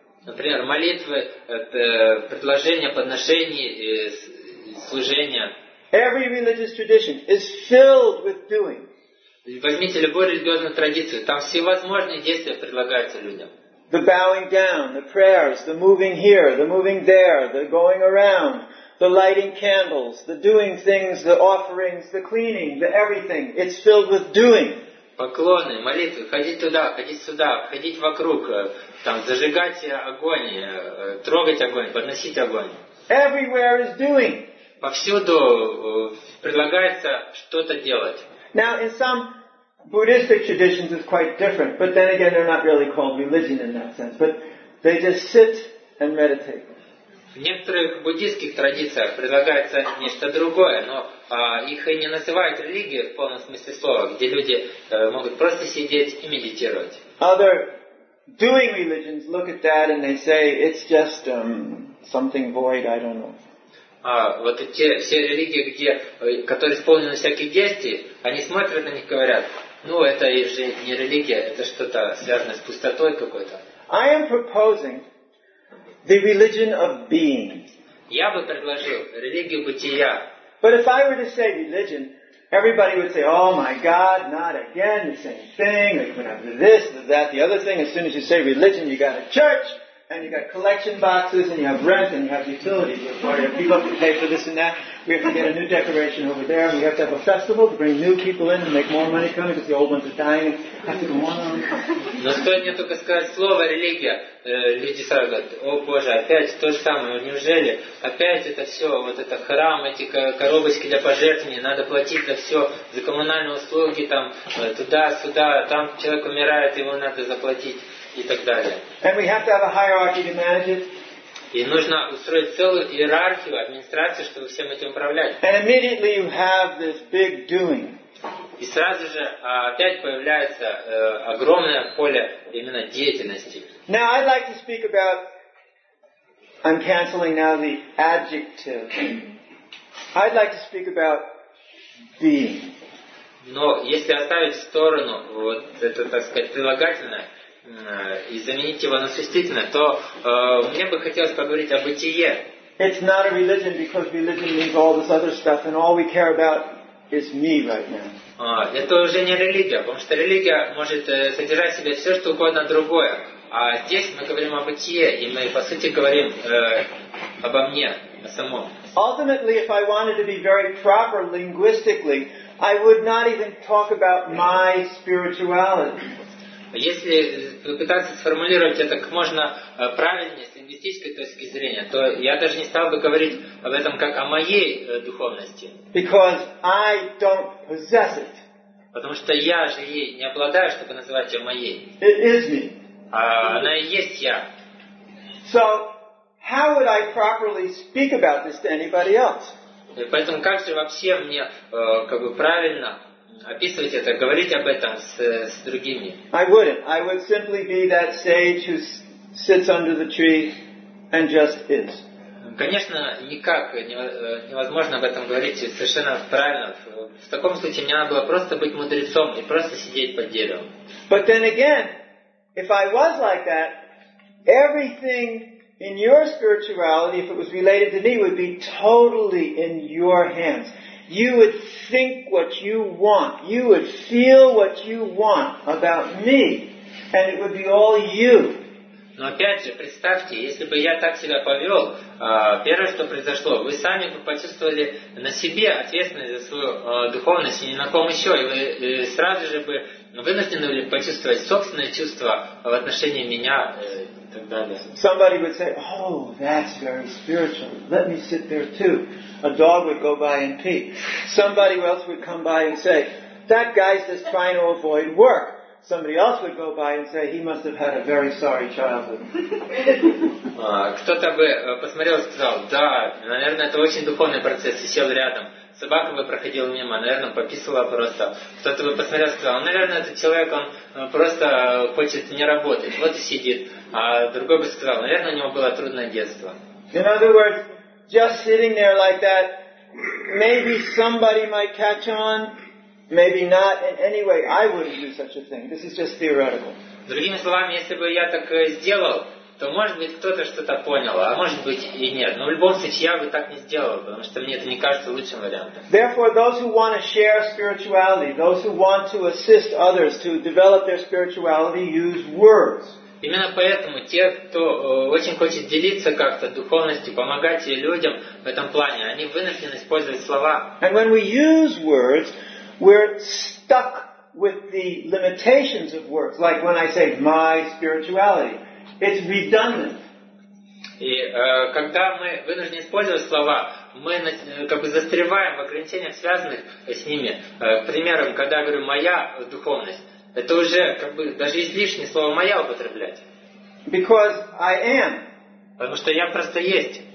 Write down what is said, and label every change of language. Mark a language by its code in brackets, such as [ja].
[ru] Например, молитвы, предложения, подношения, служения. [en] Every religious tradition is filled with doing. [ru] Возьмите любую религиозную традицию, там всевозможные действия предлагаются людям. [en] The bowing down, the prayers, the moving here, the moving there, the going around, the lighting candles, the doing things, the offerings, the cleaning, the everything. It's filled with doing. [ru] Поклоны, молитвы, ходить туда, ходить сюда, ходить вокруг, там зажигать огонь, трогать огонь, подносить огонь. [en] Everywhere is doing. [ru] Повсюду предлагается что-то делать. [en] Now, in some Buddhistic traditions, it's quite different. But then again, they're not really called religion in that sense. But they just sit and meditate. [ru] В некоторых буддийских традициях предлагается нечто другое, но их и не называют религией в полном смысле слова, где люди могут просто сидеть и медитировать. [en] Other doing religions look at that and they say it's just something void. I don't know. [ru] А вот те все религии, где, которые исполнены всякие действия, они смотрят на них и говорят, ну это же не религия, это что-то связанное с пустотой какой-то. [en] I am proposing the religion of being. [ru] Я бы предложил религию бытия. [en] But if I were to say religion, everybody would say, oh my God, not again, the same thing, you're gonna have this, that, the other thing. As soon as you say religion, you got a church. And you got collection boxes, and you have rent, and you have utilities. You have people to pay for this and that. We have to get a new decoration over there, and we have to have a festival to bring new people in and make more money coming because the old ones are dying. And have to go on and on. [ru] Но стоит мне только сказать слово религия, люди сразу говорят: о боже, опять то же самое. Неужели опять это все? Вот это храм, эти коробочки для пожертвований, надо платить за все, за коммунальные услуги там, туда-сюда. Там человек умирает, его надо заплатить. И так далее. [en] And we have to have a hierarchy to manage it. [ru] И нужно устроить целую иерархию, администрацию, чтобы всем этим управлять. [en] And immediately you have this big doing. [ru] И сразу же опять появляется огромное поле именно деятельности. [en] Now I'd like to speak about I'm canceling now the adjective. I'd like to speak about being. [ru] Но если оставить в сторону вот это, так сказать, прилагательное и заменить его на существительное, то мне бы хотелось поговорить о бытие. [en] It's not a religion because religion means all this other stuff and all we care about is me right now. [ru] Это уже не религия, потому что религия может содержать в себе все, что угодно другое. А здесь мы говорим о бытие, и мы, по сути, говорим обо мне, о самом. [en] Ultimately, if I wanted to be very proper linguistically, I would not even talk about my spirituality. [ru] Если попытаться сформулировать это как можно правильнее, с лингвистической точки зрения, то я даже не стал бы говорить об этом как о моей духовности. [en] Because I don't possess it. [ru] Потому что я же ей не обладаю, чтобы называть ее моей. [en] It is me. [ru] Она и есть я. [en] So, how would I properly speak about this to anybody else? [ru] Поэтому как же вообще мне как бы правильно описывать это, говорить об этом с другими? [en] I wouldn't. I would simply be that sage who sits under the tree and just is. [ru] Конечно, никак невозможно об этом говорить совершенно правильно. В таком случае мне надо было просто быть мудрецом и просто сидеть под деревом. [en] But then again, if I was like that, everything in your spirituality, if it was related to me, would be totally in your hands. You would think what you want. You would feel what you want about me. And it would be all you. [ru] Но опять же, представьте, если бы я так себя повел, первое, что произошло, вы сами бы почувствовали на себе ответственность за свою духовность и ни на ком еще, и вы сразу же бы вынуждены были почувствовать собственное чувство в отношении меня и так далее. [en] Somebody would say, oh, that's very spiritual. Let me sit there too. A dog would go by and pee. Somebody else would come by and say, that guy's just trying to avoid work. Somebody else would go by and say he must have had a very sorry childhood. [ru] Кто-то бы посмотрел и сказал, да, наверное, это очень духовный процесс, и сел рядом. Собака бы проходила мимо, наверное, пописала просто. Кто-то бы посмотрел и сказал, наверное, этот человек, он просто хочет не работать, вот и сидит. А другой бы сказал, наверное, у него было трудное детство. [en] In other words, just sitting there like that, maybe somebody might catch on. Maybe not. In any way, I wouldn't do such a thing. This is just theoretical. [ru] Другими словами, если бы я так сделал, то может быть кто-то что-то понял, а может быть и нет. Но в любом случае я бы так не сделал, потому что мне это не кажется лучшим вариантом. [en] Therefore, those who want to share spirituality, those who want to assist others to develop their spirituality, use words. [ru] Именно поэтому те, кто очень хочет делиться как-то духовностью, помогать людям в этом плане, они вынуждены использовать слова. [en] And when we use words, we're stuck with the limitations of words. Like when I say my spirituality, it's redundant. [ru] И когда мы вынуждены использовать слова, мы как бы застреваем в ограничениях, связанных с ними. Примером, когда я говорю моя духовность, это уже как бы даже излишнее слово моя употреблять. [en] Because I am. [ru] Потому что я просто есть.